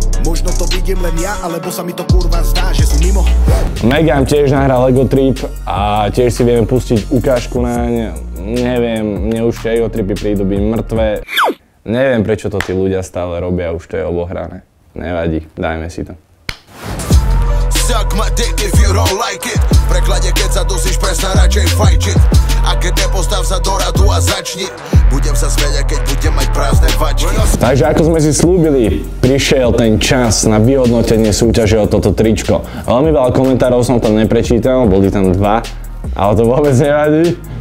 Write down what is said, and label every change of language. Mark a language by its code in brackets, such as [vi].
[sk] Možno to vidím len ja, alebo sa mi to kurva zdá, že sú mimo. Megan tiež nahral Lego Trip a tiež si vieme pustiť ukážku naň. Neviem, mne už tie Lego Tripy prídu byť mŕtve. Neviem, prečo to tí ľudia stále robia, už to je obohrané. Nevadí, dajme si to. [en] Suck my dick if you don't like it. [sk] V preklade, keď sa dusíš, prestaň radšej fajčiť. A keď nepostav sa do radu a začni, budem sa smeňať, keď budem mať prázdne vačky. Takže ako sme si slúbili, prišiel ten čas na vyhodnotenie súťaže o toto tričko. Veľmi veľa komentárov som tam neprečítal, boli tam dva, ale to vôbec nevadí.